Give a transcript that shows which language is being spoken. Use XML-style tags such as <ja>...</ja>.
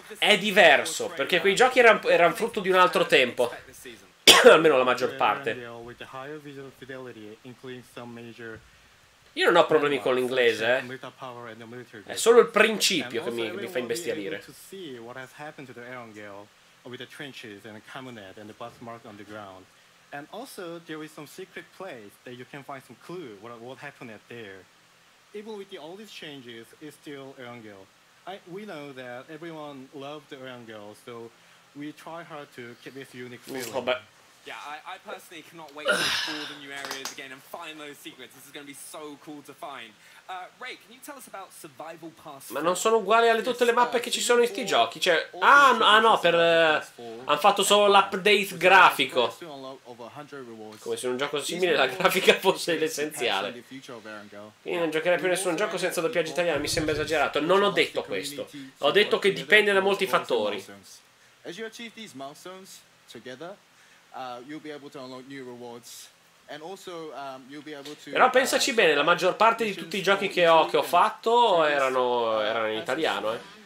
<it>È diverso, perché quei giochi erano frutto di un altro tempo. Almeno la maggior parte. Io non ho problemi con l'inglese, eh. È solo il principio che mi fa imbestialire.</it> <en>With the trenches and the camonet and the bus mark on the ground. And also there is some secret place that you can find some clue what happened at there. Even with all these changes, it's still Erangel. We know that everyone loved Erangel, so we try hard to keep this unique feeling. Oh, but... Yeah, I personally cannot wait to explore the new areas again and find those secrets. This is gonna be so cool to find. Ray, can you tell us about survival pass?</en> <it>Ma non sono uguali alle tutte le mappe che ci sono in sti giochi. Cioè, no, per hanno fatto solo l'update grafico. Come se un gioco simile la grafica fosse l'essenziale. Quindi non giocherai più nessun gioco senza doppiaggio italiano, mi sembra esagerato. Non ho detto questo. Ho detto che dipende da molti fattori.</it> <en>As you achieve these milestones together, you'll be able to unlock new rewards. And also, you'll be able to,</en> <it>però pensaci bene, la maggior parte di tutti i giochi che ho fatto erano in italiano, eh.</it>